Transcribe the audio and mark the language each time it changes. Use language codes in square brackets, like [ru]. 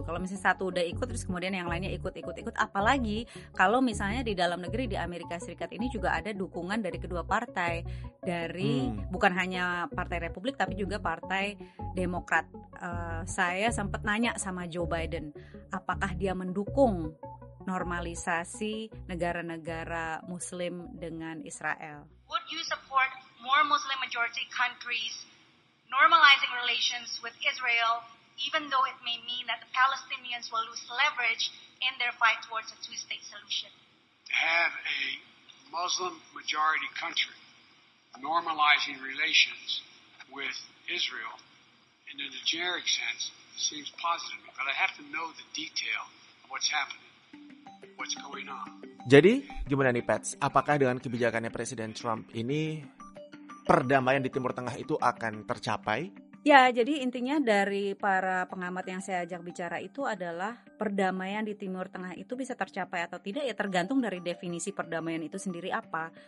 [id] Kalau misalnya satu udah ikut terus kemudian yang lainnya ikut-ikut-ikut. Apalagi kalau misalnya di dalam negeri di Amerika Serikat ini juga ada dukungan dari kedua partai. Dari bukan hanya partai Republik tapi juga partai Demokrat. Saya sempat nanya sama Joe Biden, apakah dia mendukung normalisasi negara-negara Muslim dengan Israel? [en] Would you support more Muslim majority countries normalizing relations with Israel, even though it may mean that the Palestinians will lose leverage in their fight towards a two-state solution? To have a Muslim majority country normalizing relations with Israel, in a generic sense, seems positive, but I have to know the detail of what's happening, what's going on. [id] Jadi, gimana nih, Pets? Apakah dengan kebijakannya Presiden Trump ini perdamaian di Timur Tengah itu akan tercapai? Ya, jadi intinya dari para pengamat yang saya ajak bicara itu adalah perdamaian di Timur Tengah itu bisa tercapai atau tidak ya tergantung dari definisi perdamaian itu sendiri apa.